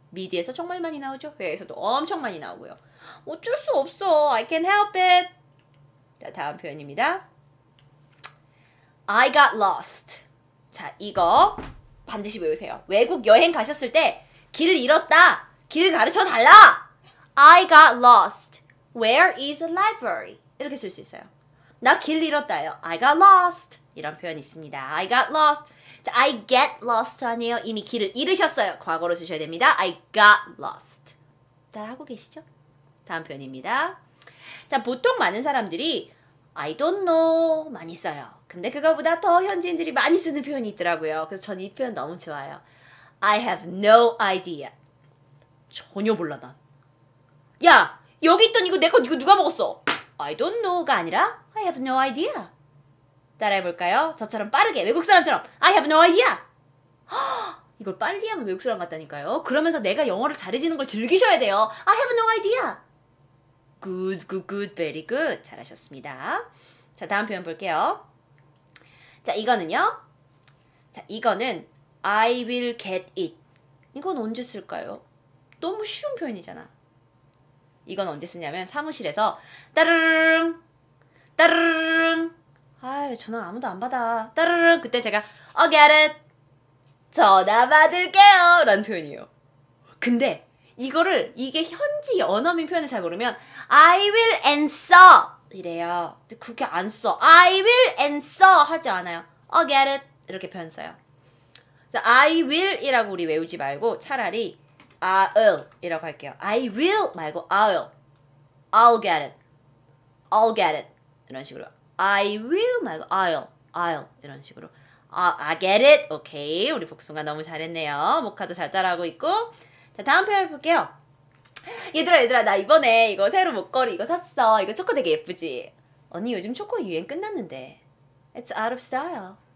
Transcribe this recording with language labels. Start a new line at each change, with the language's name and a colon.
Korean: 미디에서 정말 많이 나오죠. 회화에서도 엄청 많이 나오고요. 어쩔 수 없어.
English: I can help it.
Korean: 자, 다음 표현입니다.
English: I got lost.
Korean: 자, 이거 반드시 외우세요. 외국 여행 가셨을 때 길 잃었다. 길 가르쳐 달라.
English: I got lost. Where is the library?
Korean: 이렇게 쓸 수 있어요. 나 길 잃었다요.
English: I got lost.
Korean: 이런 표현 있습니다. I got lost.
English: I get lost
Korean: 아니에요. 이미 길을 잃으셨어요. 과거로 쓰셔야 됩니다.
English: I got lost.
Korean: 따라하고 계시죠? 다음 표현입니다. 자, 보통 많은 사람들이
English: I don't know
Korean: 많이 써요. 근데 그거보다 더 현지인들이 많이 쓰는 표현이 있더라고요. 그래서 저는 이 표현 너무 좋아요.
English: I have no idea.
Korean: 전혀 몰라 난. 야, 여기 있던 이거 내 거 이거 누가 먹었어?
English: I don't know
Korean: 가 아니라
English: I have no idea.
Korean: 따라해볼까요? 저처럼 빠르게 외국 사람처럼
English: I have no idea.
Korean: 이걸 빨리 하면 외국 사람 같다니까요. 그러면서 내가 영어를 잘해지는 걸 즐기셔야 돼요.
English: I have no idea. Good, good, good, very good.
Korean: 잘하셨습니다. 자, 다음 표현 볼게요. 자, 이거는요. 자, 이거는
English: I will get it.
Korean: 이건 언제 쓸까요? 너무 쉬운 표현이잖아. 이건 언제 쓰냐면 사무실에서 따르릉, 따르릉. 아유, 전화 아무도 안 받아. 따르릉. 그때 제가
English: I'll get it.
Korean: 전화 받을게요. 라는 표현이에요. 근데 이거를 이게 현지 언어민 표현을 잘 모르면
English: I will answer
Korean: 이래요. 근데 그게 안 써.
English: I will answer
Korean: 하지 않아요.
English: I'll get it
Korean: 이렇게 표현 써요. I will 이라고 우리 외우지 말고 차라리 I'll 이라고 할게요.
English: I will 말고 I'll. I'll get it. I'll get it
Korean: 이런 식으로.
English: I will 말고 I'll. I'll
Korean: 이런 식으로.
English: I get it. 오케이.
Korean: 우리 복숭아 너무 잘했네요. 모카도 잘 따라하고 있고. 자, 다음 표현 볼게요. 얘들아, 얘들아, 나 이번에 이거 새로 목걸이 이거 샀어. 이거 초코 되게 예쁘지? 언니, 요즘 초코 유행 끝났는데.
English: It's out of style.